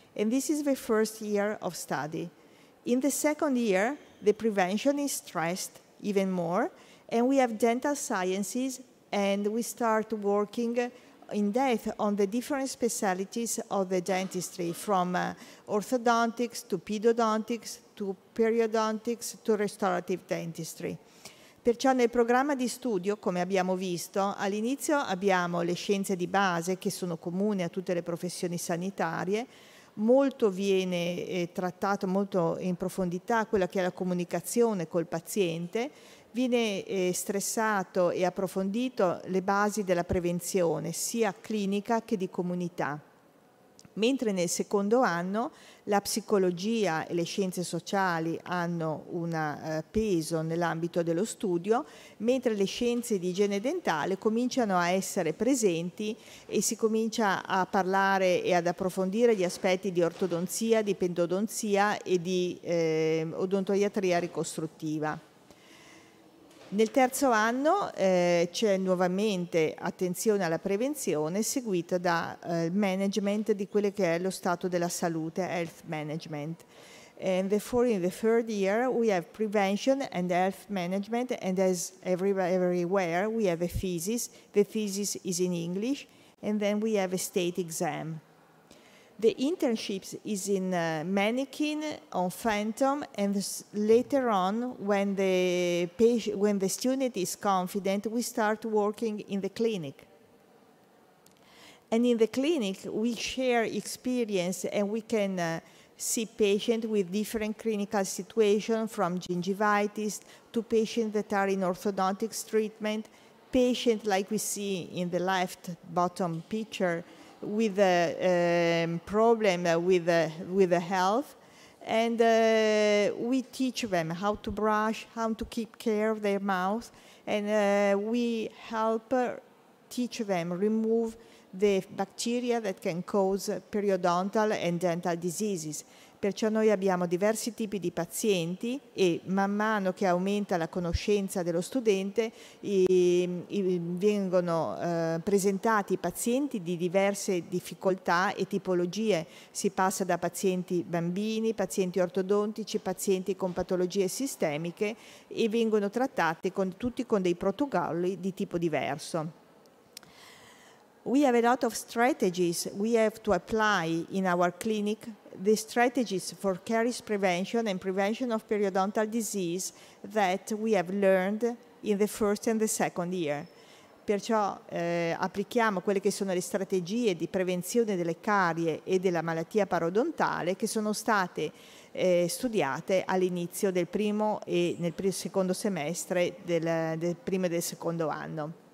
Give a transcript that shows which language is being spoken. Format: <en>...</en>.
<en>And this is the first year of study. In the second year, the prevention is stressed even more. And we have dental sciences, and we start working in depth on the different specialties of the dentistry, from orthodontics to pedodontics to periodontics to restorative dentistry.</en> <it>Perciò nel programma di studio, come abbiamo visto, all'inizio abbiamo le scienze di base che sono comuni a tutte le professioni sanitarie. Molto viene trattato molto in profondità quella che è la comunicazione col paziente. Viene stressato e approfondito le basi della prevenzione, sia clinica che di comunità. Mentre nel secondo anno la psicologia e le scienze sociali hanno un peso nell'ambito dello studio, mentre le scienze di igiene dentale cominciano a essere presenti e si comincia a parlare e ad approfondire gli aspetti di ortodonzia, di pedodonzia e di odontoiatria ricostruttiva. Nel terzo anno c'è nuovamente attenzione alla prevenzione, seguita da management di quello che è lo stato della salute, health management.</it> <en>And therefore, in the third year, we have prevention and health management, and as everywhere, we have a thesis. The thesis is in English, and then we have a state exam. The internships is in mannequin, on phantom, and later on, when the patient, when the student is confident, we start working in the clinic. And in the clinic, we share experience and we can see patients with different clinical situations, from gingivitis to patients that are in orthodontics treatment, patients like we see in the left bottom picture, with a problem with the health, and we teach them how to brush, how to keep care of their mouth, and we help teach them remove the bacteria that can cause periodontal and dental diseases.</en> <it>Perciò noi abbiamo diversi tipi di pazienti e man mano che aumenta la conoscenza dello studente vengono presentati pazienti di diverse difficoltà e tipologie. Si passa da pazienti bambini, pazienti ortodontici, pazienti con patologie sistemiche e vengono trattati tutti con dei protocolli di tipo diverso.</it> <en>We have a lot of strategies we have to apply in our clinic. The strategies for caries prevention and prevention of periodontal disease that we have learned in the first and the second year.</en> <it>Perciò applichiamo quelle che sono le strategie di prevenzione delle carie e della malattia parodontale che sono state studiate all'inizio del primo e nel secondo semestre del primo e del secondo anno.</it>